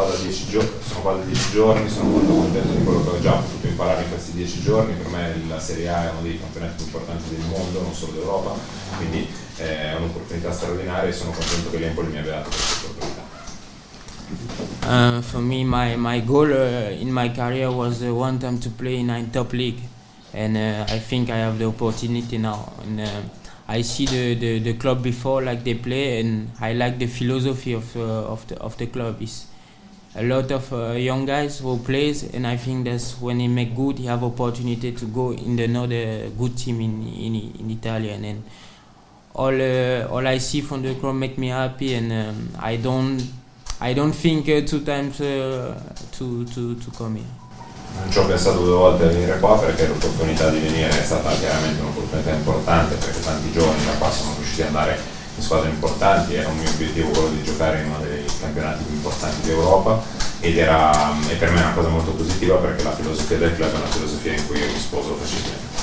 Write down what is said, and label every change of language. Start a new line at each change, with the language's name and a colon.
Italian: Sono qua da dieci giorni, sono molto contento di quello che ho già potuto imparare in questi 10 giorni. Per me la Serie A è uno dei campionati più importanti del mondo, non solo d'Europa, quindi è un'opportunità straordinaria e sono contento che l'Empoli mi abbia dato questa opportunità.
English: For me, my goal in my career was one time to play in a top league, and I think I have the opportunity now. And I see the club before, like they play, and I like the philosophy of the club. It's a lot of young guys who plays, and I think that's when he make good, he have opportunity to go in another good team in Italy. And then all I see from the club make me happy, and I don't think two times to come here.
Italian: Non ci ho pensato due volte a venire qua, perché l'opportunità di venire è stata chiaramente un'opportunità importante, perché tanti giovani da qua sono riusciti ad andare in squadre importanti. Era un mio obiettivo quello di giocare in uno dei campionati più importanti d'Europa, ed era e per me è una cosa molto positiva, perché la filosofia del club è una filosofia in cui io mi sposo facilmente.